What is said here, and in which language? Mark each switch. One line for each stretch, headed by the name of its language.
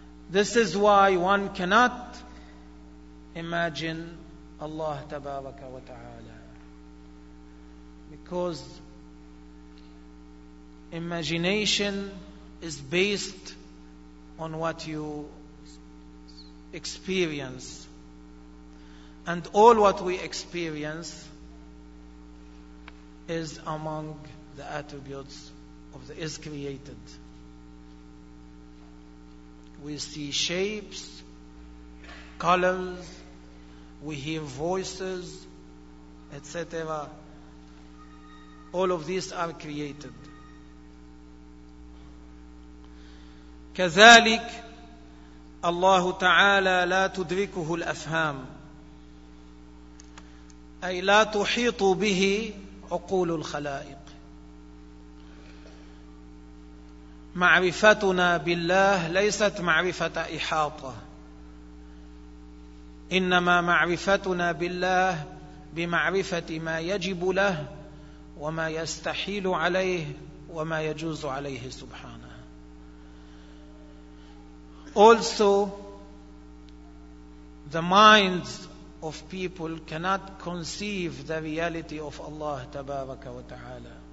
English: This is why one cannot imagine Allah Tabaraka wa Ta'ala, because imagination is based on what you experience, and all what we experience is among the attributes of the is created. We see shapes, colors, we hear voices, etc. All of these are created.
Arabic: كذلك الله تعالى لا تدركه الأفهام, أي لا تحيط به عقول الخلائق. معرفتنا بالله ليست معرفة إحاطة, إنما معرفتنا بالله بمعرفة ما يجب له وما يستحيل عليه وما يجوز عليه سبحانه.
English: Also, the minds of people cannot conceive the reality of Allah تبارك وتعالى.